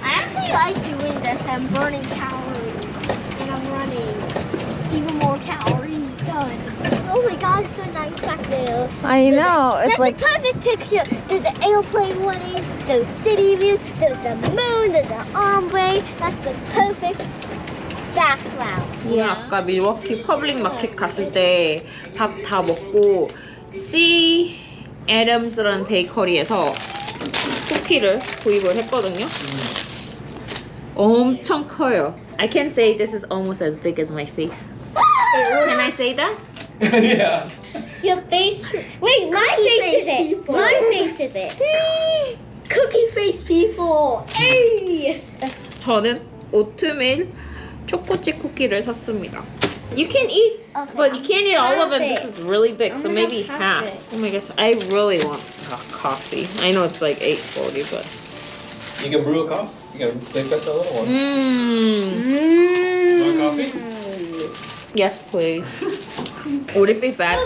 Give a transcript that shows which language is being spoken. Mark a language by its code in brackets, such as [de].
[en] I actually like doing this. I'm burning calories. And I'm running. Even more calories done. Oh my god, it's so nice back there. I know. That's like the perfect picture. There's the airplane running, those city views, there's the moon, there's the ombre. That's the perfect background. Yeah. [ko] 아까 밀워키 퍼블릭 마켓 갔을 때 밥 다 먹고 see Adams라는 베이커리에서 쿠키를 구입을 했거든요. 엄청 커요. [en] I can say this is almost as big as my face. Can I say that? Yeah. Your face. Wait, my face, face is it. People. My face is it. Cookie face people. Hey. [ko] 저는 오트밀 초코칩 쿠키를 샀습니다. [en] You can eat, okay, but you can't eat all of it. This is really big, so maybe half. Oh my gosh, I really want a coffee. I know it's like 8:40, but. You can brew a coffee. You can make just a little one. Mmm. Want coffee? Yes, please. Would it be bad?